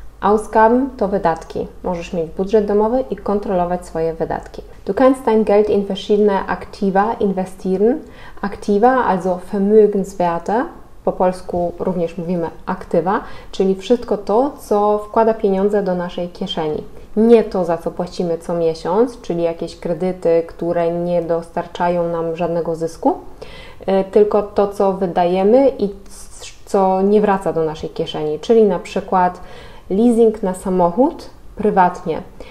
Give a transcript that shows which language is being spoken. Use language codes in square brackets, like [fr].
[pl] Ausgaben to wydatki. Możesz mieć budżet domowy i kontrolować swoje wydatki. [de] Du kannst dein Geld in verschiedene Aktiva investieren. Aktiva, also Vermögenswerte, [pl] po polsku również mówimy aktywa, czyli wszystko to, co wkłada pieniądze do naszej kieszeni. nie to, za co płacimy co miesiąc, czyli jakieś kredyty, które nie dostarczają nam żadnego zysku, tylko to, co wydajemy i co nie wraca do naszej kieszeni, czyli na przykład leasing na samochód prywatnie.